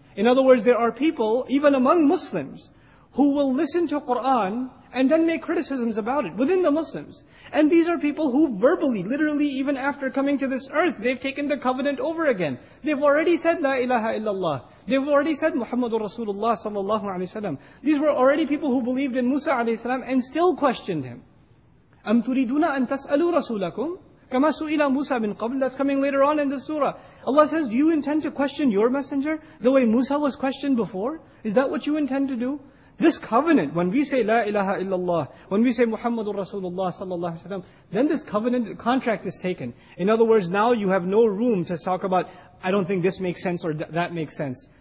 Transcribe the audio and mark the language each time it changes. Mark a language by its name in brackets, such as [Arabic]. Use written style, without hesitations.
[English] In other words, there are people, even among Muslims, who will listen to Qur'an and then make criticisms about it within the Muslims. And these are people who verbally, literally even after coming to this earth, they've taken the covenant over again. They've already said, La ilaha illallah. They've already said, Muhammadur Rasulullah sallallahu alayhi wa sallam. These were already people who believed in Musa alayhi salam and still questioned him. [Arabic] أَمْ تُرِيدُونَ أَن تَسْأَلُوا رَسُولَكُمْ كَمَا سُئِلَ مُوسَى مِنْ قَبْلِ [English] That's coming later on in the surah. Allah says, do you intend to question your messenger the way Musa was questioned before? Is that what you intend to do? This covenant, when we say La ilaha illallah, when we say Muhammadur Rasulullah sallallahu alaihi wasallam, then this covenant contract is taken. In other words, now you have no room to talk about, I don't think this makes sense or that makes sense.